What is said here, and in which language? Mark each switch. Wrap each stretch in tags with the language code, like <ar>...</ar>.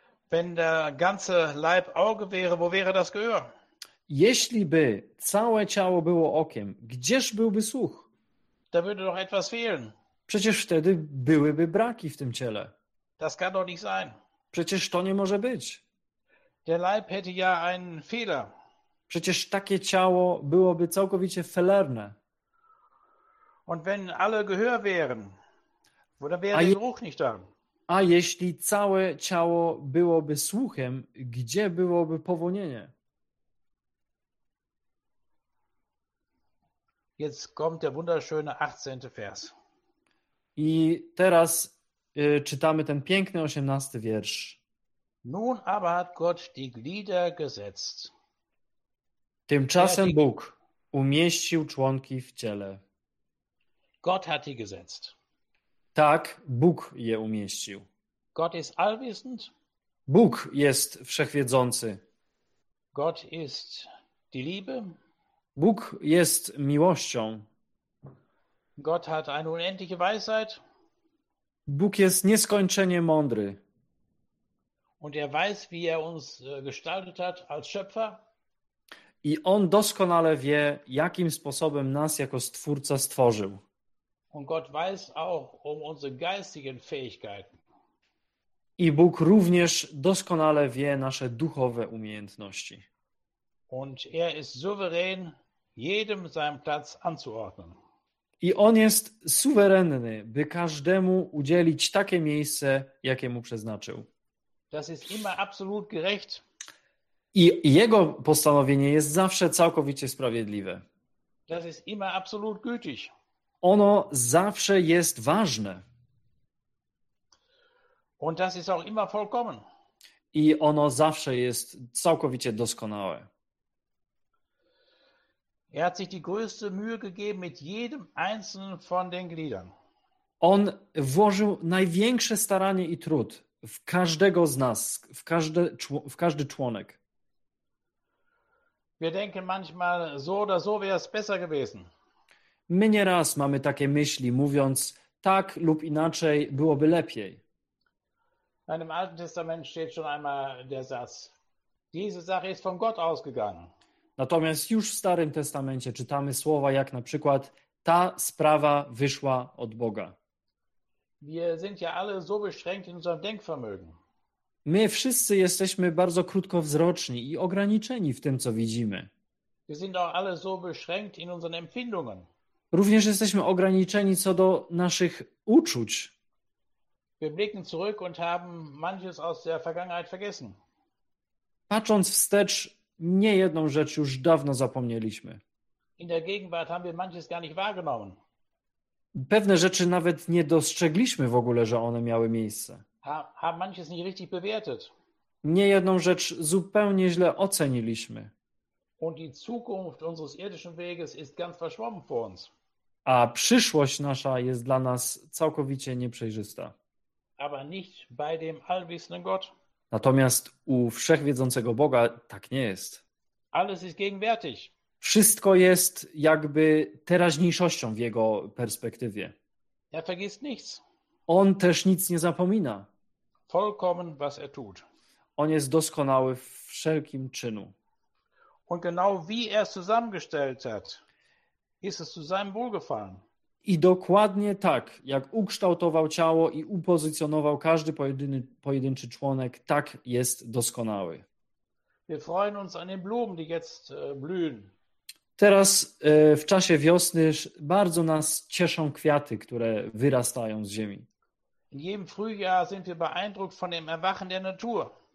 <de>Wenn der ganze Leib Auge wäre, wo wäre das Gehör?</de> <pl>Jeśli by całe ciało było okiem, gdzież byłby słuch?</pl> <de>Da würde doch etwas fehlen.</de> <pl>Przecież wtedy byłyby braki w tym ciele.</pl> <de>Das kann doch nicht sein.</de> <pl>Przecież to nie może być.</pl> <de>Der Leib hätte ja einen Fehler.</de> <pl>Przecież takie ciało byłoby całkowicie fehlerne.</pl> <de>Und wenn alle Gehör wären, oder wäre der Geruch nicht da?</de> <pl>A jeśli całe ciało byłoby słuchem, gdzie byłoby powonienie?</pl> <de>Jetzt kommt der wunderschöne 18. Vers.</de> <pl>I teraz czytamy ten piękny 18 wiersz.</pl> <de>Nun aber hat Gott die Glieder gesetzt.</de> <pl>Tymczasem Bóg umieścił członki w ciele.</pl> <de>Gott hat die gesetzt.</de> <pl>Tak, Bóg je umieścił.</pl> <de>Gott ist allwissend.</de> <pl>Bóg jest wszechwiedzący.</pl> <de>Gott ist die Liebe.</de> <pl>Bóg jest miłością.</pl> <de>Gott hat eine unendliche Weisheit.</de> <pl>Bóg jest nieskończenie mądry.</pl> <de>Und er weiß, wie er uns gestaltet hat als Schöpfer.</de> <pl>I on doskonale wie, jakim sposobem nas jako Stwórca stworzył.</pl> <de>Und Gott weiß auch um unsere geistigen Fähigkeiten.</de> <pl>I Bóg również doskonale wie nasze duchowe umiejętności.</pl> <de>Und er ist souverän, jedem seinen Platz anzuordnen.</de> <pl>I on jest suwerenny, by każdemu udzielić takie miejsce, jakie mu przeznaczył.</pl> <de>Das ist immer absolut gerecht.</de> <pl>I jego postanowienie jest zawsze całkowicie sprawiedliwe.</pl> <de>Das ist immer absolut gültig.</de> <pl>Ono zawsze jest ważne.</pl> <de>Und das ist auch immer vollkommen.</de> <pl>I ono zawsze jest całkowicie doskonałe.</pl> <de>Er hat sich die größte Mühe gegeben mit jedem einzelnen von den Gliedern.</de> <pl>On włożył największe staranie i trud w każdego z nas, w każdy członek.</pl> <de>Wir denken manchmal so oder so wäre es besser gewesen.</de> <pl>My nieraz mamy takie myśli, mówiąc tak lub inaczej byłoby lepiej.</pl> <de>Im Alten Testament steht schon einmal der Satz: Diese Sache ist von Gott ausgegangen.</de> <pl>Natomiast już w Starym Testamencie czytamy słowa jak na przykład ta sprawa wyszła od Boga.</pl> <de>Wir sind ja alle so beschränkt in unserem Denkvermögen.</de> <pl>My wszyscy jesteśmy bardzo krótkowzroczni i ograniczeni w tym, co widzimy.</pl> <de>Wir sind auch alle so beschränkt in unseren Empfindungen.</de> <pl>Również jesteśmy ograniczeni co do naszych uczuć.</pl> <de>Wir blicken zurück und haben manches aus der Vergangenheit vergessen.</de> <pl>Patrząc wstecz, nie jedną rzecz już dawno zapomnieliśmy.</pl> <de>In der Gegenwart haben wir manches gar nicht wahrgenommen.</de> <pl>Pewne rzeczy nawet nie dostrzegliśmy w ogóle, że one miały miejsce.</pl> <de>Haben manches nicht richtig bewertet.</de> <pl>Nie jedną rzecz zupełnie źle oceniliśmy.</pl> <de>Und die Zukunft unseres irdischen Weges ist ganz verschwommen vor uns.</de> <pl>A przyszłość nasza jest dla nas całkowicie nieprzejrzysta.</pl> <de>aber nicht bei dem allwissenden Gott.</de> <pl>Natomiast u wszechwiedzącego Boga tak nie jest.</pl> <de>Alles ist gegenwärtig.</de> <pl>Wszystko jest jakby teraźniejszością w jego perspektywie.</pl> <de>Er vergisst nichts.</de> <pl>On też nic nie zapomina.</pl> <de>Vollkommen, was er tut.</de> <pl>On jest doskonały w wszelkim czynu.</pl> <de>Und genau wie er es zusammengestellt hat, ist es zu seinem Wohlgefallen.</de> <pl>I dokładnie tak, jak ukształtował ciało i upozycjonował każdy pojedynczy członek, tak jest doskonały.</pl> <de>Wir freuen uns an den Blumen, die jetzt blühen.</de> <pl>Teraz w czasie wiosny bardzo nas cieszą kwiaty, które wyrastają z ziemi.</pl> <de>In jedem Frühjahr sind wir beeindruckt von dem Erwachen der Natur.</de>